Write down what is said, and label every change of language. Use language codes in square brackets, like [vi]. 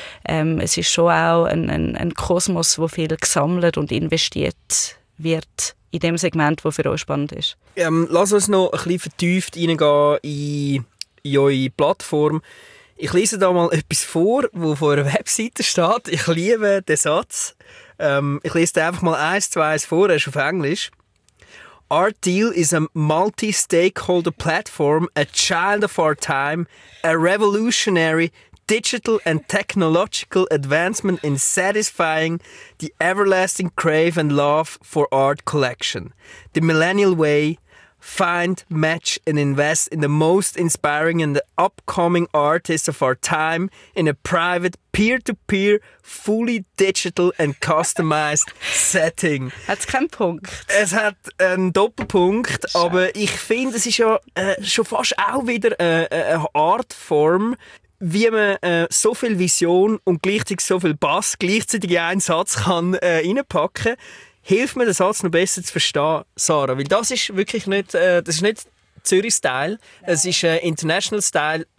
[de] Es ist schon auch ein Kosmos, wo viel gesammelt und investiert wird in dem Segment, das für uns spannend ist. Lass uns noch ein bisschen vertieft reingehen in eure Plattform. Ich lese da mal etwas vor, das auf eurer Webseite steht. Ich liebe den Satz. Ich lese den einfach mal eins zu eins vor, er ist auf Englisch. [en] Our deal is a multi-stakeholder platform, a child of our time, a revolutionary digital and technological advancement in satisfying the everlasting crave and love for art collection. The millennial way, find, match and invest in the most inspiring and the upcoming artists of our time in a private, peer-to-peer, fully digital and customized setting. [de] Hat es keinen Punkt? Es hat einen Doppelpunkt, aber ich finde, es ist ja schon fast auch wieder eine Artform, wie man so viel Vision und gleichzeitig so viel Bass gleichzeitig in einen Satz kann reinpacken kann. Hilft mir, den Satz noch besser zu verstehen, Sarah. Weil das ist wirklich nicht, das ist nicht Zürich-Style, es ist International-Style.